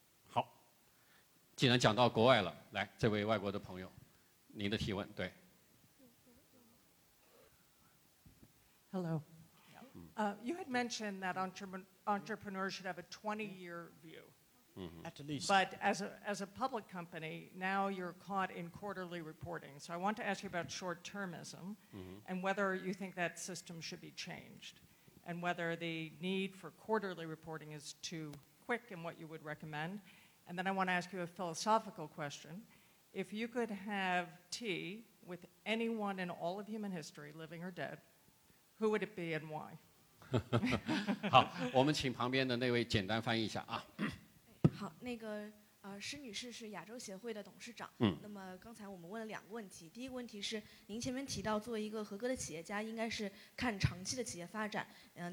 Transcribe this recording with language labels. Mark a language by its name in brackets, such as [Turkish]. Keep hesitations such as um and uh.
[Chinese] 好,既然讲到国外了,来,这位外国的朋友,您的体温, [English] Hello. Yep. Uh, you had mentioned that entrepreneur, entrepreneurs should have a 20 year view. Mm -hmm. At least. But as a, as a public company, now you're caught in quarterly reporting. So I want to ask you about short termism and whether you think that system should be changed and whether the need for quarterly reporting is too quick and what you would recommend. And then I want to ask you a philosophical question. If you could have tea with anyone in all of human history, living or dead, who would it be and why? [Chinese] 好，我们请旁边的那位简单翻译一下啊。好，那个 呃，施女士是亚洲协会的董事长。嗯。那么刚才我们问了两个问题，第一个问题是，您前面提到作为一个合格的企业家，应该是看长期的企业发展。嗯。